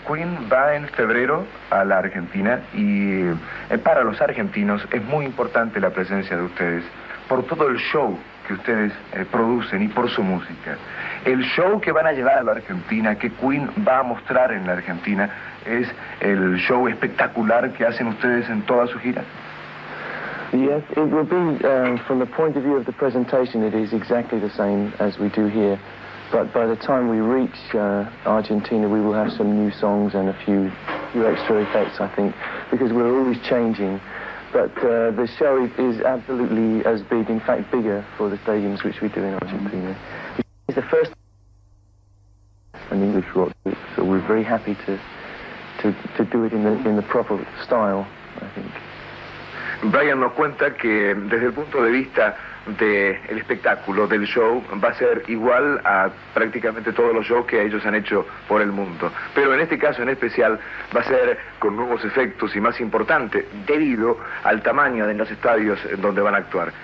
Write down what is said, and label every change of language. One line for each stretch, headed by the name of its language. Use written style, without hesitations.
Spanish: Queen va en febrero a la Argentina y para los argentinos es muy importante la presencia de ustedes por todo el show que ustedes producen y por su música. El show que van a llevar a la Argentina, que Queen va a mostrar en la Argentina, ¿es el show espectacular que hacen ustedes en toda su gira?
English: Yes, it will be, from the point of view of the presentation, it is exactly the same as we do here. But by the time we reach Argentina, we will have some new songs and a few extra effects, I think, because we're always changing. But the show is absolutely as big, in fact bigger, for the stadiums which we do in Argentina. It's the first an English rock group, so we're very happy to do it in the proper style, I think.
Spanish: Brian nos cuenta que desde el punto de vista del espectáculo, del show, va a ser igual a prácticamente todos los shows que ellos han hecho por el mundo. Pero en este caso en especial va a ser con nuevos efectos y más importante, debido al tamaño de los estadios en donde van a actuar.